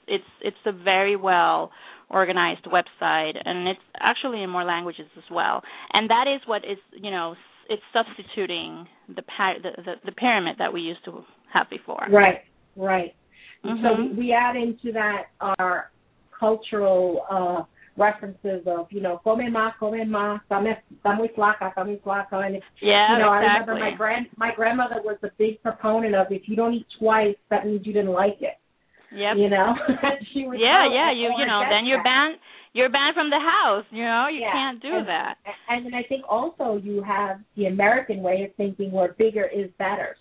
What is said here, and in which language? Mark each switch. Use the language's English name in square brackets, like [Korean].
[English] It's a very well organized website, and it's actually in more languages as well. And that is what is, you know, it's substituting the pyramid that we used to have before. Right, right. Mm-hmm. So we add into that our cultural references of, you know, [Spanish] come más, está muy flaca, está muy flaca. [English] And, yeah, you know, exactly. I remember my grandmother was a big proponent of, if you don't eat twice, that means you didn't like it. Yep. You know? You're banned. You're banned from the house, you know? You can't do that. And then I think also you have the American way of thinking where bigger is better.